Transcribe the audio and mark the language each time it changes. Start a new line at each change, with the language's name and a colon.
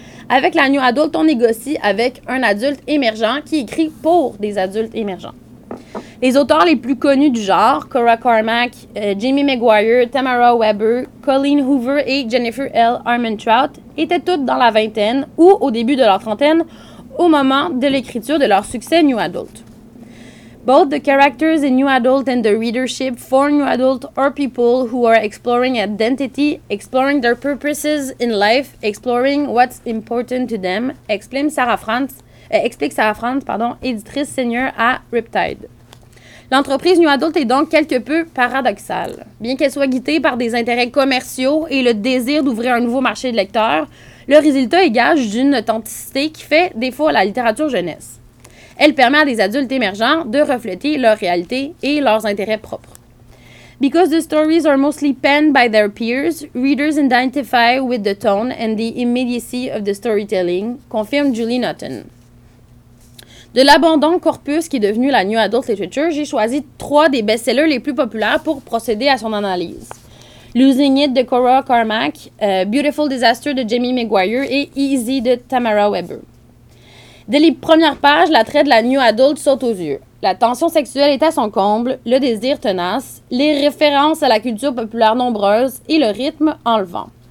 French: Avec la New Adult, on négocie avec un adulte émergent qui écrit pour des adultes émergents. Les auteurs les plus connus du genre, Cora Carmack, Jamie Maguire, Tamara Weber, Colleen Hoover et Jennifer L. Armentrout, étaient toutes dans la vingtaine ou au début de leur trentaine au moment de l'écriture de leur succès New Adult.
English: Both the characters in New Adult and the readership for New Adult are people who are exploring identity, exploring their purposes in life, exploring what's important to them,
French: explique Sarah Frantz, éditrice senior à Riptide. L'entreprise New Adult est donc quelque peu paradoxale. Bien qu'elle soit guidée par des intérêts commerciaux et le désir d'ouvrir un nouveau marché de lecteurs, le résultat est gage d'une authenticité qui fait défaut à la littérature jeunesse. Elle permet à des adultes émergents de refléter leur réalité et leurs intérêts propres.
English: Because the stories are mostly penned by their peers, readers identify with the tone and the immediacy of the storytelling,
French: confirme Julie Nutton. De l'abondant corpus qui est devenu la New Adult Literature, j'ai choisi trois des best-sellers les plus populaires pour procéder à son analyse. Losing It de Cora Carmack, Beautiful Disaster de Jamie Maguire et Easy de Tamara Weber. Dès les premières pages, l'attrait de la New Adult saute aux yeux. La tension sexuelle est à son comble, le désir tenace, les références à la culture populaire nombreuses et le rythme enlevant.